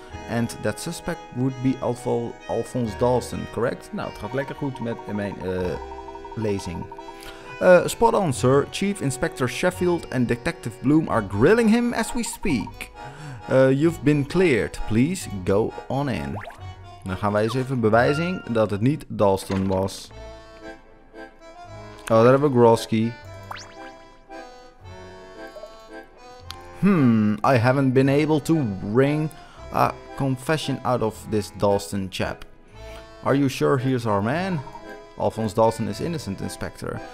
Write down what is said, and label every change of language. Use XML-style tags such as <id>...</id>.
<en>And that suspect would be Alphonse Dawson, correct?</en> <nl>Nou, het gaat lekker goed met mijn lezing.</nl> <en>Spot on, sir. Chief Inspector Sheffield and Detective Bloom are grilling him as we speak. You've been cleared. Please go on in.</en> <nl>Dan gaan wij eens even bewijzen dat het niet Dawson was. Oh, daar hebben we Grosky.</nl> <en>I haven't been able to ring a confession out of this Dawson chap. Are you sure he is our man? Alphonse Dawson is innocent, Inspector.</en>